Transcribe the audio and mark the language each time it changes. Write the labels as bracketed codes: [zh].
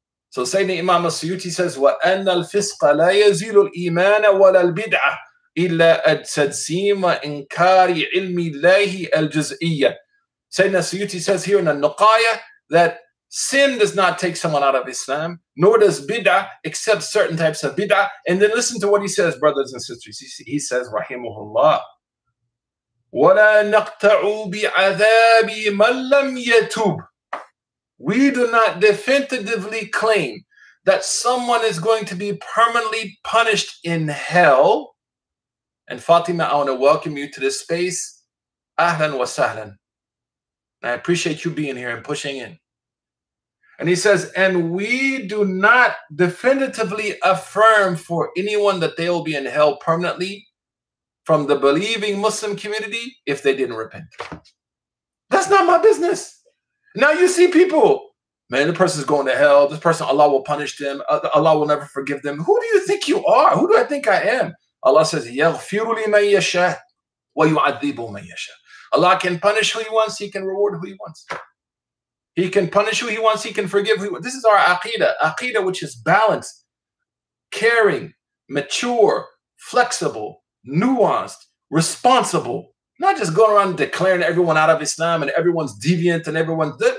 [en] So Sayyidina Imam al-Suyuti says, [ar] وَأَنَّ الْفِسْقَ لَا يَزِيلُ الْإِيمَانَ وَلَا الْبِدْعَ إِلَّا أَجْسَدْسِيمَ إِنْكَارِ عِلْمِ اللَّهِ الْجُزْئِيَّةِ [en] Sayyidina Suyuti says here in al-Nuqaya that sin does not take someone out of Islam, nor does bid'ah, except certain types of bid'ah. And then listen to what he says, brothers and sisters. He says, [ar] rahimahullah, وَلَا نَقْتَعُوا بِعَذَابِ مَنْ لَمْ يَتُوبُ. [en] We do not definitively claim that someone is going to be permanently punished in hell. And Fatima, I want to welcome you to this space. Ahlan wa sahlan. I appreciate you being here and pushing in. And he says, and we do not definitively affirm for anyone that they will be in hell permanently from the believing Muslim community if they didn't repent. That's not my business. Now you see people, man, the person's going to hell. This person, Allah will punish them. Allah will never forgive them. Who do you think you are? Who do I think I am? Allah says, [ar] يَغْفِرُ لِمَنْ يَشَاءُ وَيُعَذِّبُ مَنْ يَشَاءُ. [en] Allah can punish who he wants. He can reward who he wants. He can punish who he wants. He can forgive who he wants. This is our aqidah. Aqidah which is balanced, caring, mature, flexible, nuanced, responsible. Not just going around declaring everyone out of Islam and everyone's deviant and everyone's dead.